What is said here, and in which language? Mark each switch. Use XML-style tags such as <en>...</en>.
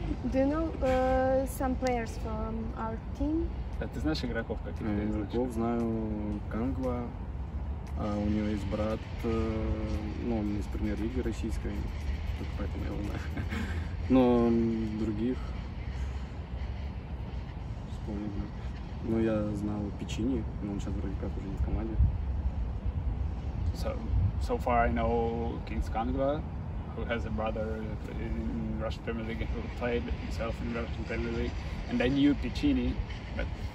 <en>Do you know some players from our team?</en> <ru>А ты знаешь игроков каких-то? Игроков знаю Кангва, у него есть брат, ну он из премьер-лиги российской, только поэтому я его знаю. Но других вспомнил. Ну я знал Пичини, но он сейчас вроде как уже не в команде.</ru> <en>So far I know Kings Kangva, who has a brother in Russian Premier League, who played himself in Russian Premier League, and I knew Pichini, but</en>